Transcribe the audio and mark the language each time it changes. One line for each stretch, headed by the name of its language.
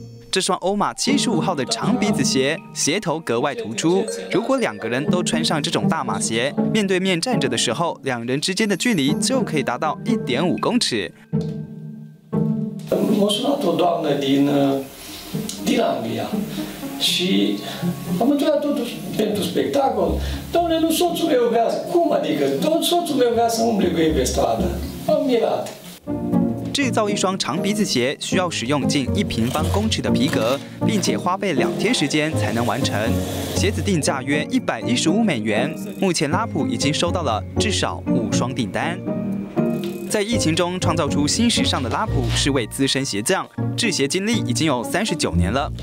Chinese: 这双欧玛75号的长鼻子鞋，鞋头格外突出。如果两个人都穿上这种大码鞋，面对面站着的时候，两人之间的距离就可以达到1.5公尺。我是那头段的人，迪朗尼亚。
Romanian: Și am întrebat totuși pentru spectacol, domnule, nu soțul meu vrea, cum adică, tot soțul meu vrea să umble cu ei pe stradă, am mirat.
Chinese: 制造一双长鼻子鞋需要使用近1平方公尺的皮革，并且花费2天时间才能完成。鞋子定价约115美元，目前拉普已经收到了至少5双订单。在疫情中创造出新时尚的拉普是位资深鞋匠，制鞋经历已经有39年了。